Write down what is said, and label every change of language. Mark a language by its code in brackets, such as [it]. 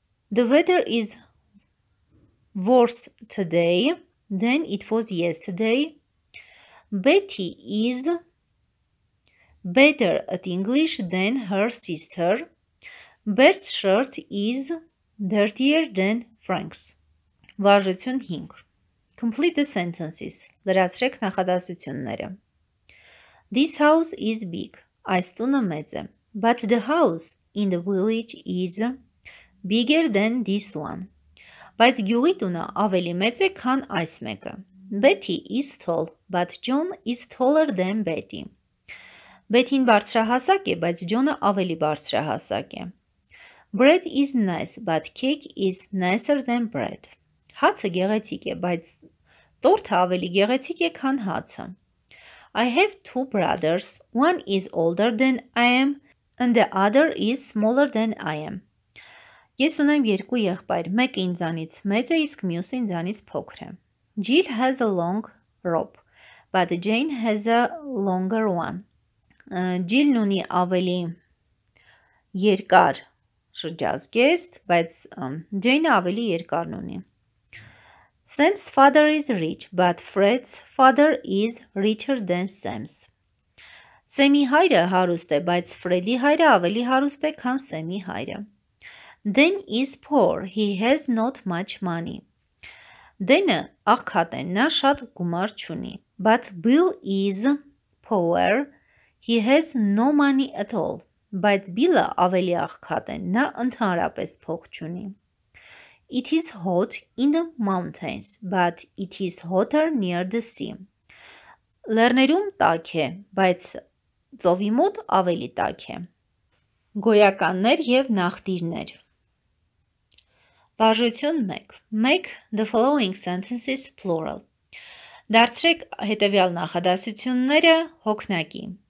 [en] The weather is worse today than it was yesterday. Betty is better at English than her sister. Bert's shirt is dirtier than francs. [hy] Վարժություն 5. [en] Complete the sentences. [hy] Լրացրեք նախադասությունները. [en] This house is big. [hy] Այս տունը մեծ է. [en] But the house in the village is bigger than this one. [hy] Բայց գյուղի տունը ավելի մեծ է, քան այս մեկը. [en] Betty is tall, but John is taller than Betty. [hy] Betty-ն բարձրահասակ է, բայց John-ը ավելի բարձրահասակ է. [en] Bread is nice, but cake is nicer than bread. [hy] Հացը գեղեցիկ է, բայց տորթը ավելի գեղեցիկ է, քան հացը. [en] I have two brothers. One is older than I am, and the other is smaller than I am. [hy] Ես ունեմ երկու եղբայր, մեկը ինձանից մեծ է, իսկ մյուսը ինձանից փոքր է. [en] Jill has a long rope, but Jane has a longer one. [hy] Jill-ն ունի ավելի երկար շրջազգեստ, բայց Jane-ը ավելի երկարն ունի. [en] Sam's father is rich, but Fred's father is richer than Sam's. [hy] Sam-ի հայրը հարուստ է, բայց Fred-ի հայրը ավելի հարուստ է, քան Sam-ի հայրը. [en] Dan is poor. He has not much money. [hy] Dan-ը աղքատ է, նա շատ գումար չունի. [en] But Bill is poor. He has no money at all. [hy] Բայց Bill-ը ավելի աղքատ է, նա ընդհանրապես փող չունի. [en] It is hot in the mountains, but it is hotter near the sea. [hy] Լեռներում տաք է, բայց ծովի մոտ ավելի տաք է. Գոյականներ եւ նախտիրներ. Բաժություն 1. [en] Make the following sentences plural. [hy] Դարձրեք հետեւյալ նախադասությունները հոգնակի.